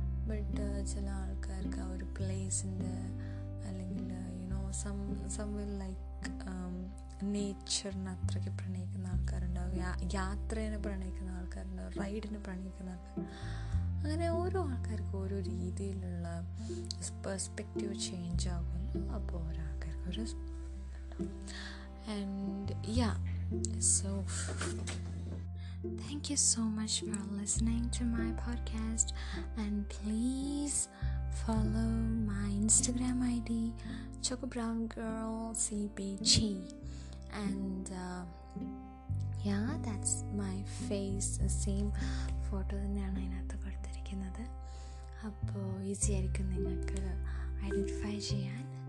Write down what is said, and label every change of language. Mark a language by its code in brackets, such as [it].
[ml] But ചില ആൾക്കാർക്ക് ആ ഒരു പ്ലേസിൻ്റെ അല്ലെങ്കിൽ യുനോ സം വിൽ ലൈക്ക് നേച്ചറിനെ അത്രയ്ക്ക് പ്രണയിക്കുന്ന ആൾക്കാരുണ്ടാവും, യാത്രേനെ പ്രണയിക്കുന്ന ആൾക്കാരുണ്ടാവും, റൈഡിനെ പ്രണയിക്കുന്ന ആൾക്കാർ. അങ്ങനെ ഓരോ ആൾക്കാർക്ക് ഓരോ രീതിയിലുള്ള പെർസ്പെക്റ്റീവ് ചേഞ്ച് ആകുന്നു. അപ്പോൾ ഓരോ ആൾക്കാർക്ക് ഒരു and yeah. [en] So, thank you so much for listening to my podcast, and please follow my Instagram ID, Choco Brown Girl CBG, And yeah, that's my face, the same photo [ml] തന്നെയാണ് അതിനകത്ത് കൊടുത്തിരിക്കുന്നത്. അപ്പോൾ easy ആയിരിക്കും നിങ്ങൾക്ക് identify ചെയ്യാൻ.